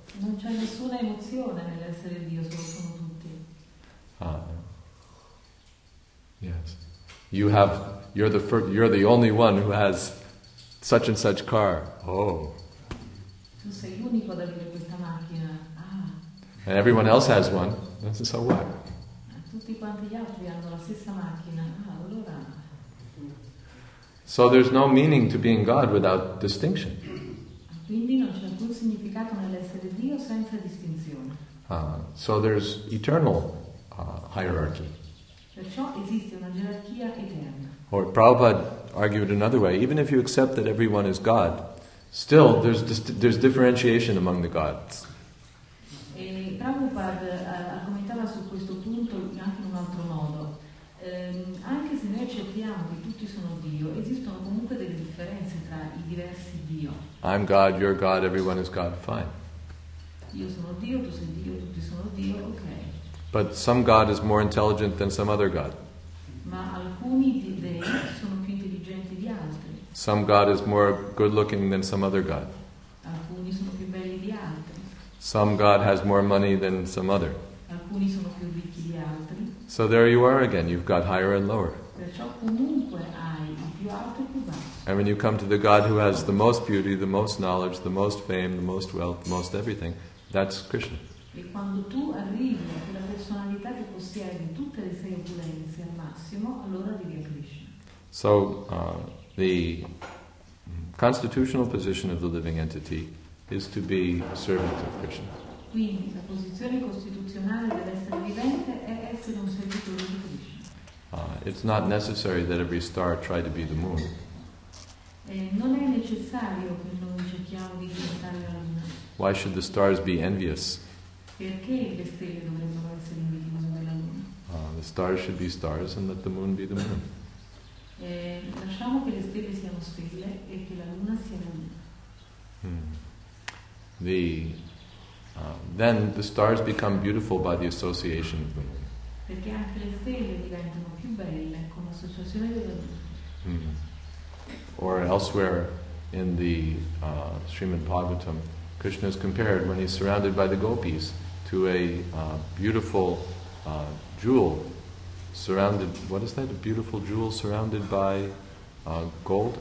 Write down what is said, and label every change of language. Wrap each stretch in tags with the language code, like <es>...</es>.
<it>Non c'è nessuna emozione nell'essere Dio, solo sono tutti.</it> <en>Yes. You're the only one who has such and such car. Oh.</en> <it>Tu sei l'unico ad avere questa macchina.</it> <en>And everyone else has one. So what?</en> <it>Tutti quanti gli altri hanno la stessa macchina. Allora.</it> <en>So there's no meaning to being God without distinction.</en> <it>Quindi non c'è alcun significato nell'essere Dio senza distinzione.</it> <en>So there's eternal hierarchy.</en> <it>Perciò esiste una gerarchia eterna.</it> <en>Or Prabhupada argue it another way. Even if you accept that everyone is God, still there's differentiation among the gods.</en> <it>E Prabhupada argomentava su questo punto anche in un altro modo. Anche se noi accettiamo che tutti sono Dio, esistono comunque delle differenze tra i diversi Dio.</it> <en>I'm God, you're God, everyone is God. Fine.</en> <it>Io sono Dio, tu sei Dio, tutti sono Dio.</it> <en>Ok. But some God is more intelligent than some other God.</en> <it>Ma alcuni dei sono più intelligenti di altri.</it> <en>Some God is more good-looking than some other God.</en> <it>Alcuni sono più belli di altri.</it> <en>Some God has more money than some other.</en> <it>Alcuni sono più ricchi di altri.</it> <en>So there you are again, you've got higher and lower.</en> <it>Perciò comunque hai più alto e più basso.</it> <en>And when you come to the God who has the most beauty, the most knowledge, the most fame, the most wealth, the most everything, that's Krishna.</en> <it>E quando tu arrivi a quella personalità che possiede tutte le sei opulenze al massimo, allora arrivi a Krishna.</it> <en>So, the constitutional position of the living entity is to be a servant of Krishna.</en> <it>Quindi la posizione costituzionale dell'essere vivente è essere un servitore di Krishna.</it> <en>It's not necessary that every star try to be the moon.</en> <it>Non è necessario che noi cerchiamo di diventare la luna.</it> <en>Why should the stars be envious?</en> <it>Perché le stelle dovrebbero essere invidiose della luna?</it> <en>The stars should be stars and let the moon be the moon.</en> <it>Lasciamo che le stelle siano stelle e che la luna sia luna.</it> <en>Then the stars become beautiful by the association of the moon.</en> <it>Perché anche le stelle diventano più belle con l'associazione della luna.</it> <en>Or elsewhere in the Srimad Bhagavatam, Krishna is compared when he's surrounded by the gopis to a beautiful jewel surrounded. What is that? A beautiful jewel surrounded by gold?</en>